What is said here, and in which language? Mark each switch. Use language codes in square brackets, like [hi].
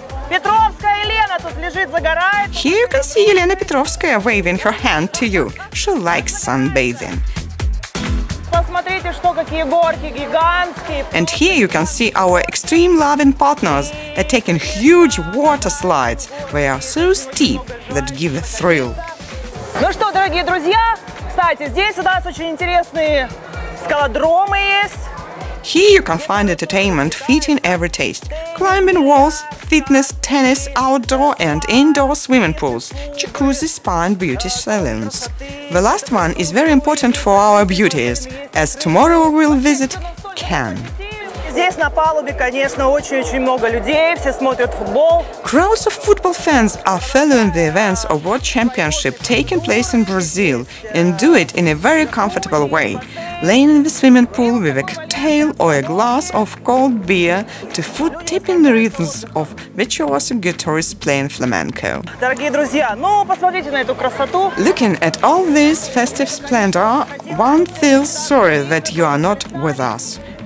[ru] Петровская Елена тут лежит, загорает. [en] Here you can see Елена Петровская waving her hand to you. She likes sunbathing. [ru] Посмотрите, что какие горки гигантские. [en] And here you can see our extreme loving partners are taking huge water slides. They are so steep that give a thrill. [ru] Ну что, дорогие друзья, кстати, здесь у нас очень интересные скалодромы есть. [en] Here you can find entertainment fitting every taste. Climbing walls, fitness, tennis, outdoor and indoor swimming pools, jacuzzi, spa and beauty salons. The last one is very important for our beauties, as tomorrow we'll visit Cannes. [ru] Здесь на палубе, конечно, очень-очень много людей, все смотрят футбол. [en] Crowds of football fans are following the events of World Championship taking place in Brazil and do it in a very comfortable way. Laying in the swimming pool with a cocktail or a glass of cold beer to foot tipping the rhythms of virtuoso guitarists playing flamenco. [ru] Дорогие друзья, ну посмотрите на эту красоту. [en] Looking at all this festive splendor, one feels sorry that you are not with us.